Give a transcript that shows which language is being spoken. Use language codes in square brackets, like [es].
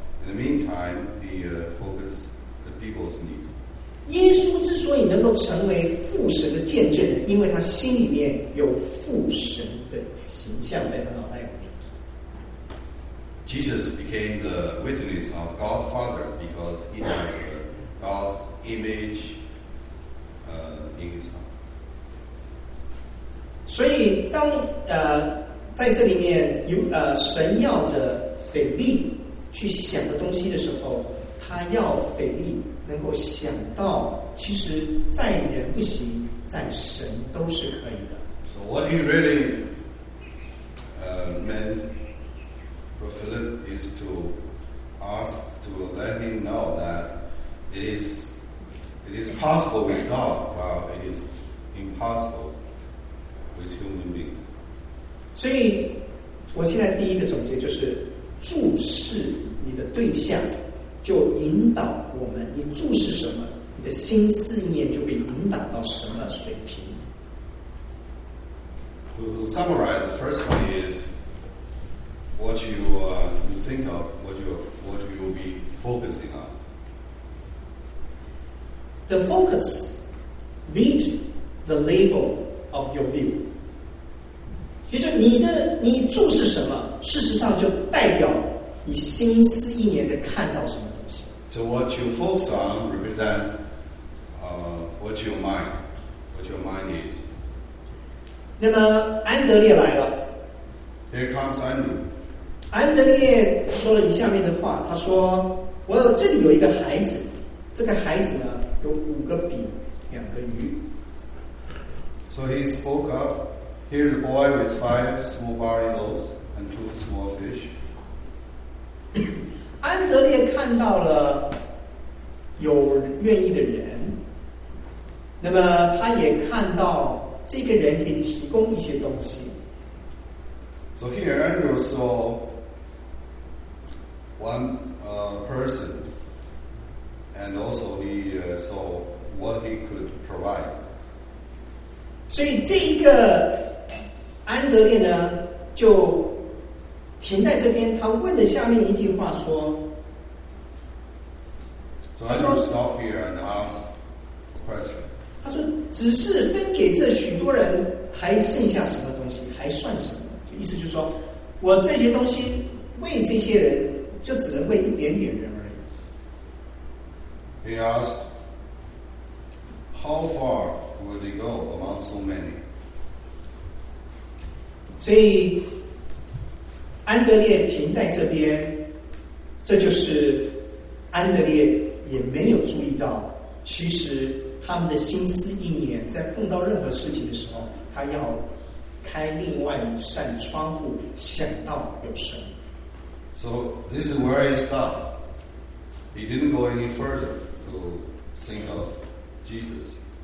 [en] In the meantime, he focused the people's need. [zh] 耶稣之所以能够成为父神的见证，因为他心里面有父神的形象在他脑袋里面。 [en] Jesus became the witness of God Father because he has God's image in his heart. [zh] 所以当在这里面有神要着腓力去想的东西的时候，他要腓力能够想到，其实在人不行，在神都是可以的。 [en] So what he really meant for Philip is to ask to let him know that it is possible with God, but it is impossible with human beings. [zh] 所以我现在第一个总结就是，注视你的对象就引导我们，你注视什么，你的心思念就被引导到什么水平。 [en] To summarize, the first one is what you think of, what you will be focusing on. The focus meet the level of your view. [zh] 其实你注视什么，事实上就代表你心思意念在看到什么东西。 [en] So what you focus on represent what your mind is. [zh] 那么安德烈来了。 [en] Here comes Andrew. [zh] 安德烈说了以下面的话，他说：“我这里有一个孩子，这个孩子呢。” 有五个饼，两个鱼。 [en] So he spoke up, Here's a boy with five small barley loaves and two small fish. [zh] 安德烈看到了有愿意的人，那么他也看到这个人给提供一些东西。 [en] So here Andrew saw one person and also he saw what he could provide. [zh] 所以这一个安德烈呢就停在这边，他问了下面一句话说 [en] So Andrew stopped here and asked a question. [zh] 他说只是分给这许多人还剩下什么东西，还算什么，意思就是说我这些东西为这些人就只能为一点点人而已。 [en] He asked how far would they go among so many. [zh] 所以安德烈停在这边，这就是安德烈也没有注意到，其实他们的心思意念在碰到任何事情的时候，他要开另外一扇窗户，想到有神。 [en] So this is where he stopped. He didn't go any further to think of Jesus.